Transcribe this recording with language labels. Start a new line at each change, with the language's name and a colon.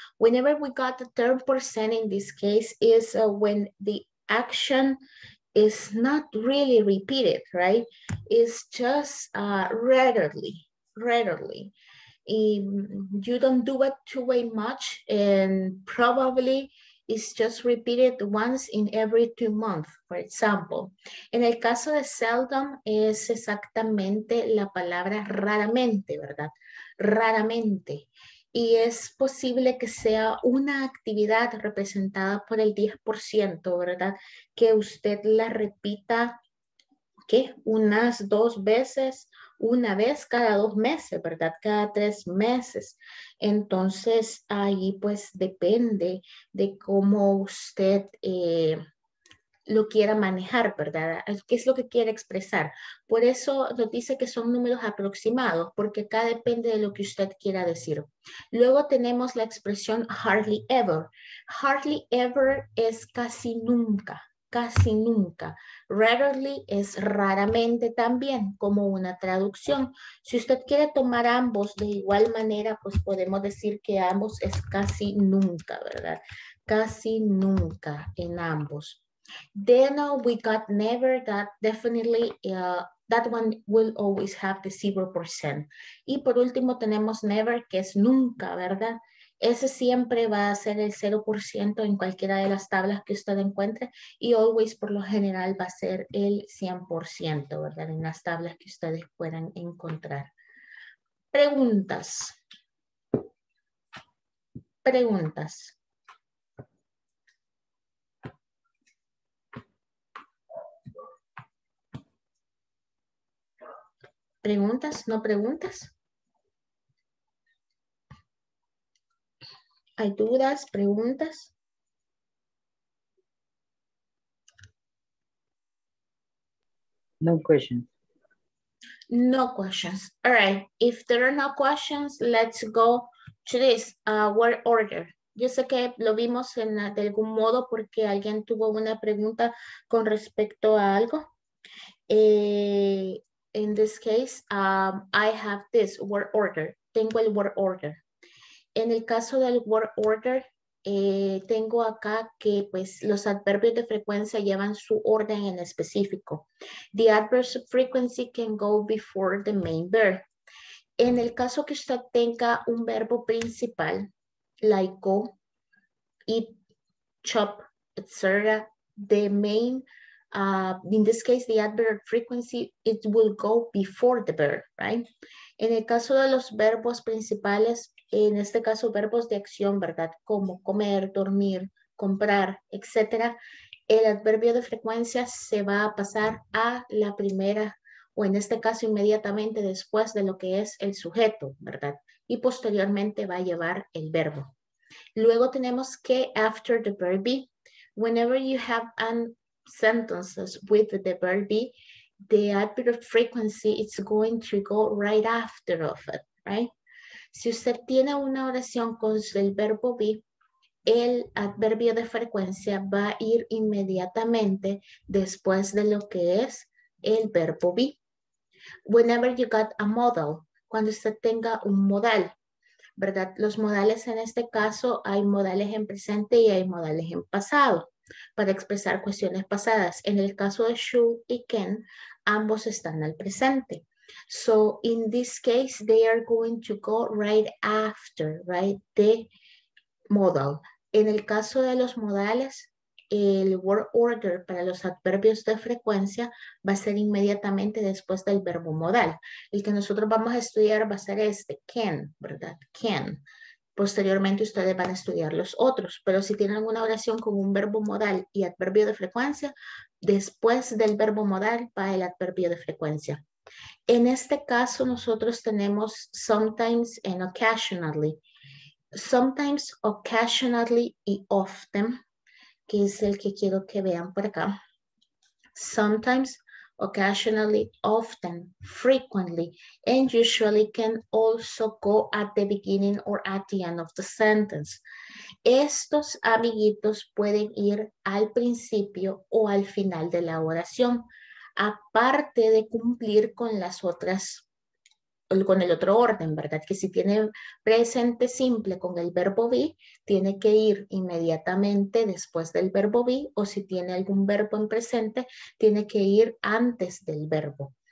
English: Whenever we got the 10% in this case is when the action is not really repeated, right? It's just rarely. You don't do it too way much, and probably it's just repeated once in every 2 months, for example.
Spanish: En el caso de seldom es exactamente la palabra raramente, ¿verdad? Raramente. Y es posible que sea una actividad representada por el 10%, ¿verdad? Que usted la repita, ¿qué? Unas dos veces, una vez cada dos meses, ¿verdad? Cada tres meses. Entonces, ahí pues depende de cómo usted lo quiera manejar, ¿verdad? ¿Qué es lo que quiere expresar? Por eso nos dice que son números aproximados, porque acá depende de lo que usted quiera decir. Luego tenemos la expresión hardly ever. Hardly ever es casi nunca. Casi nunca. Rarely es raramente también, como una traducción. Si usted quiere tomar ambos de igual manera, pues podemos decir que ambos es casi nunca, ¿verdad? Casi nunca en ambos.
English: Then we got never, that definitely, that one will always have the 0%.
Spanish: Y por último tenemos never, que es nunca, ¿verdad? Ese siempre va a ser el 0% en cualquiera de las tablas que usted encuentre, y always por lo general va a ser el 100%, ¿verdad? En las tablas que ustedes puedan encontrar. Preguntas. Preguntas. Preguntas, no preguntas. ¿Hay dudas, preguntas?
English: No questions. No questions. All right. If there are no questions, let's go to this word order.
Spanish: Yo sé que lo vimos en, de algún modo porque alguien tuvo una pregunta con respecto a algo.
English: In this case, I have this word order.
Spanish: Tengo el word order. En el caso del word order, tengo acá que pues, los adverbios de frecuencia llevan su orden en específico.
English: The adverbs of frequency can go before the main verb.
Spanish: En el caso que usted tenga un verbo principal,
English: like go, eat, chop, etc., the main, in this case, the adverb of frequency, it will go before the verb, right?
Spanish: En el caso de los verbos principales, en este caso, verbos de acción, ¿verdad? Como comer, dormir, comprar, etc. El adverbio de frecuencia se va a pasar a la primera, o en este caso, inmediatamente después de lo que es el sujeto, ¿verdad? Y posteriormente va a llevar el verbo. Luego tenemos que
English: after the verb be, whenever you have an sentences with the verb be, the adverb of frequency is going to go right after of it, right?
Spanish: Si usted tiene una oración con el verbo be, el adverbio de frecuencia va a ir inmediatamente después de lo que es el verbo be.
English: Whenever you got a modal,
Spanish: cuando usted tenga un modal, ¿verdad? Los modales en este caso hay modales en presente y hay modales en pasado para expresar cuestiones pasadas. En el caso de should y can, ambos están al presente.
English: So, in this case, they are going to go right after, right, the modal.
Spanish: En el caso de los modales, el word order para los adverbios de frecuencia va a ser inmediatamente después del verbo modal. El que nosotros vamos a estudiar va a ser este, can, ¿verdad? Can. Posteriormente ustedes van a estudiar los otros, pero si tienen alguna oración con un verbo modal y adverbio de frecuencia, después del verbo modal va el adverbio de frecuencia. En este caso, nosotros tenemos
English: sometimes and occasionally.
Spanish: Sometimes, occasionally y often, que es el que quiero que vean por acá. Sometimes,
English: occasionally, often, frequently, and usually can also go at the beginning or at the end of the sentence.
Spanish: Estos amiguitos pueden ir al principio o al final de la oración, aparte de cumplir con las otras, con el otro orden, ¿verdad? Que si tiene presente simple con el verbo be, tiene que ir inmediatamente después del verbo be, o si tiene algún verbo en presente, tiene que ir antes del verbo.